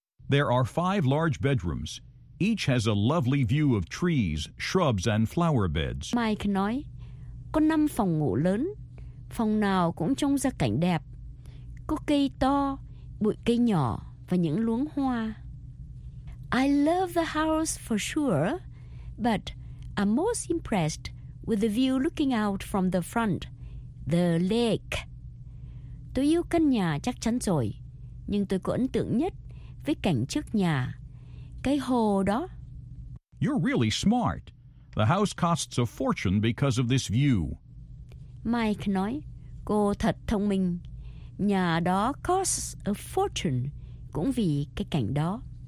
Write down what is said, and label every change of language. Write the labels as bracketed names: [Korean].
[English] There are 5 large bedrooms. Each has a lovely view of trees, shrubs, and flower beds. [Vietnamese] Mike nói, có 5 phòng ngủ lớn, phòng nào cũng trông ra cảnh đẹp. Có cây to, bụi cây nhỏ và những luống hoa. [English] I love the house for sure, but I'm most impressed with the view looking out from the front, the lake. [Vietnamese] Tôi yêu căn nhà chắc chắn rồi, nhưng tôi có ấn tượng nhất với cảnh trước nhà, cái hồ đó. [English] You're really smart. The house costs a fortune because of this view. [Vietnamese] Mike nói, cô thật thông minh. Nhà đó [English] costs a fortune, [Vietnamese] cũng vì cái cảnh đó.